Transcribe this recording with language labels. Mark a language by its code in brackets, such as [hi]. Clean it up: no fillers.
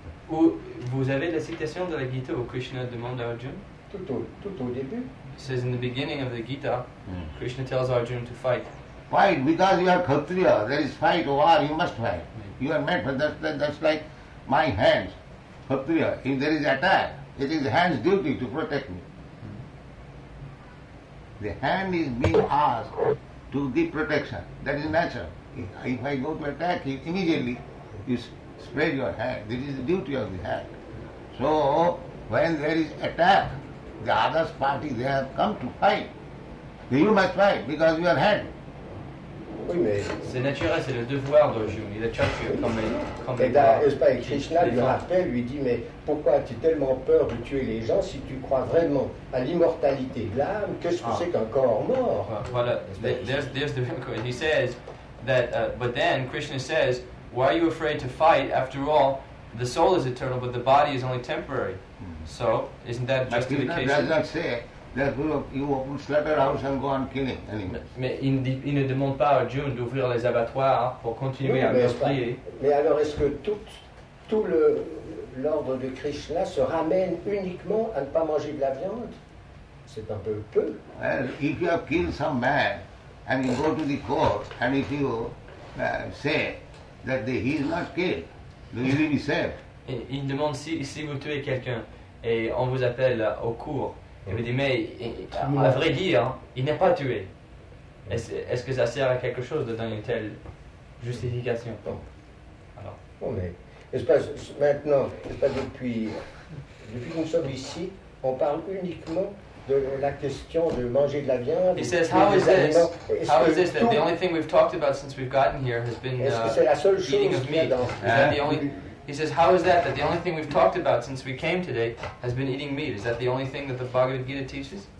[fr] Où vous avez la citation de la Gita où Krishna demande à Arjuna? Tout au début. [en] It says in the beginning of the Gita, Krishna tells Arjuna to fight. Fight, because you are Kshatriya, there is fight, war, you must fight. You are meant for that's like my hands, Kshatriya. If there is attack, it is the hand's duty to protect me. The hand is being asked to give protection. That is natural. If I go to attack you immediately, you spread your hand. This is the duty of the hand. So, when there is attack, the other party, they have come to fight. You must fight because you are hand. [fr] Oui, mais c'est naturel, c'est le devoir de Arjuna. Il a cherché comme et Krishna lui rappelle, lui dit, mais pourquoi as-tu tellement peur de tuer les gens si tu crois vraiment à l'immortalité de l'âme? Qu'est-ce que c'est qu'un corps mort? [en] Voilà, there's the real question. He says that, but then Krishna says, why are you afraid to fight? After all, the soul is eternal, but the body is only temporary. So, isn't that justification? Krishna does not say that you open slaughterhouse and go on killing animals. [fr] Mais il ne demande pas à Arjuna d'ouvrir les abattoirs pour continuer à meurtrier. Mais alors, est-ce que tout l'ordre de Krishna se ramène uniquement à ne pas manger de la viande? C'est un peu peu. [en] Well, if you have killed some man and you go to the court and if you say that he is not killed, he will be saved. [fr] Il demande si vous tuez quelqu'un et on vous appelle au cours, il vous dit, mais à vrai dire, il n'est pas tué. Est-ce que ça sert à quelque chose de donner une telle justification? Alors. Bon, mais depuis que nous sommes ici, on parle uniquement de la question de manger de la viande. [en] He says, how is this? How is this that the only thing we've talked about since we've gotten here has been eating of meat? He says, how is that the only thing we've talked about since we came today has been eating meat? Is that the only thing that the Bhagavad Gita teaches?